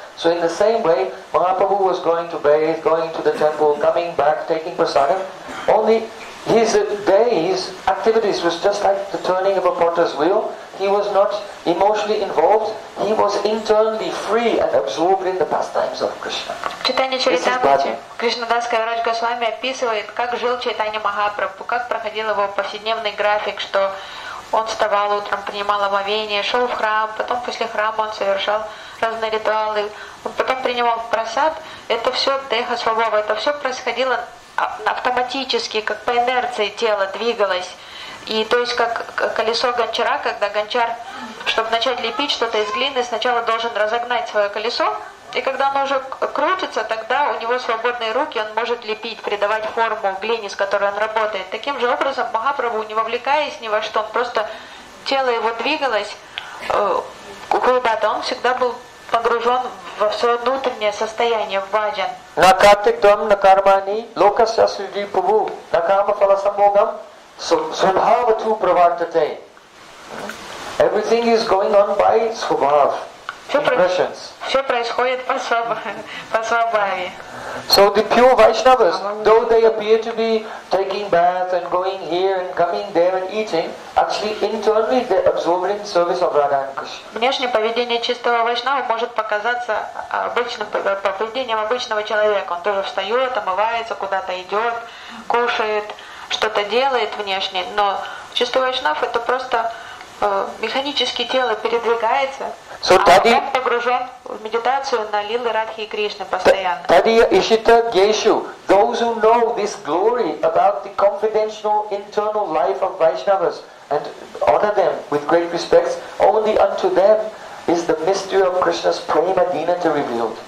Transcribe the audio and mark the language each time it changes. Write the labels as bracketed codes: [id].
[en] So in the same way, Mahaprabhu was going to bathe, going to the temple, coming back, taking prasadam. Only his day's activities was just like the turning of a potter's wheel. He was not emotionally involved. He was internally free and absorbed in the pastimes of Krishna. [ru] Читание Чайтаньи Кришнадас Кавирадж Госвами описывает, как жил Чайтанья Махапрабху, как проходил его повседневный график, что он вставал утром, принимал омовение, шел в храм, потом после храма он совершал разные ритуалы, он потом принимал прасад. Это все деха свобова, это все происходило автоматически, как по инерции тело двигалось. И то есть как колесо гончара, когда гончар, чтобы начать лепить что-то из глины, сначала должен разогнать свое колесо, и когда оно уже крутится, тогда у него свободные руки, он может лепить, придавать форму глине, с которой он работает. Таким же образом, Махапрабху, не вовлекаясь ни во что, он просто тело его двигалось куда-то, он всегда был погружен во все внутреннее состояние, в бхаджан. [sa] Накатиктам накармани локасья сриди пабу накама фаласамбогам субхавату правартате. [en] Everything is going on by субхав. [ru] Все происходит по свабаве. [en] So the pure Vaishnavas, though they appear to be taking bath and going here and coming there and eating, actually internally they're absorbing service of Radha and Krishna. [ru] Внешнее поведение чистого Вайшнава может показаться обычным поведением обычного человека. Он тоже встает, омывается, куда-то идет, кушает, что-то делает внешне. Но чистый Вайшнав — это просто механически тело передвигается. [en] So, Tadi, [ru] а он погружен в медитацию на лилы Радхи и Кришны постоянно. [sa] Tadiya ishita geshu, [en] those who know this glory about the confidential internal life of Vaishnavas and honor them with great respects, only unto them is the mystery of Krishna's prema dinata revealed.